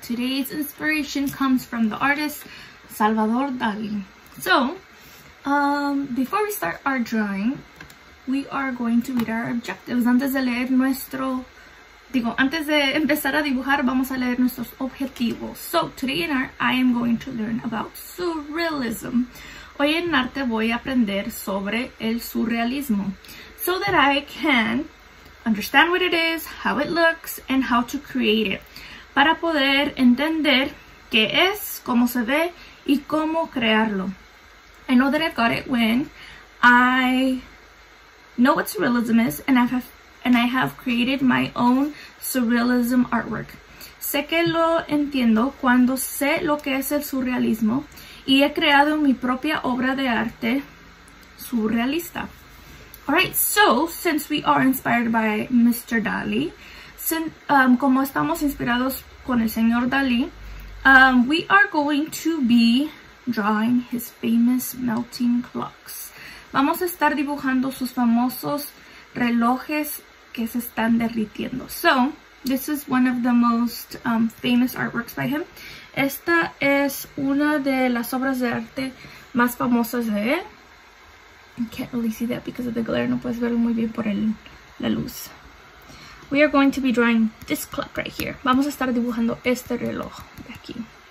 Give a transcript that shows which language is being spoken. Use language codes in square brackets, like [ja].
[en] Today's inspiration comes from the artist Salvador Dali. So, before we start our drawing, we are going to read our objectives. [es] Antes de leer nuestro... Digo, antes de empezar a dibujar, vamos a leer nuestros objetivos. [en] So, today in art, I am going to learn about surrealism. [es] Hoy en arte voy a aprender sobre el surrealismo. [en] So that I can understand what it is, how it looks, and how to create it. [es] Para poder entender qué es, cómo se ve, y cómo crearlo. [en] I know that I got it when I know what surrealism is, and I have created my own surrealism artwork. [es] Sé que lo entiendo cuando sé lo que es el surrealismo y he creado mi propia obra de arte surrealista. [en] All right, so since we are inspired by Mr. Dali, [es] como estamos inspirados con el señor Dali, [en] we are going to be drawing his famous melting clocks. [es] Vamos a estar dibujando sus famosos relojes que se están derritiendo. [en] So, this is one of the most famous artworks by him. [es] Esta es una de las obras de arte más famosas de él. [en] You can't really see that because of the glare. [es] No puedes verlo muy bien por la luz. [en] We are going to be drawing this clock right here. [es] Vamos a estar dibujando este reloj de aquí.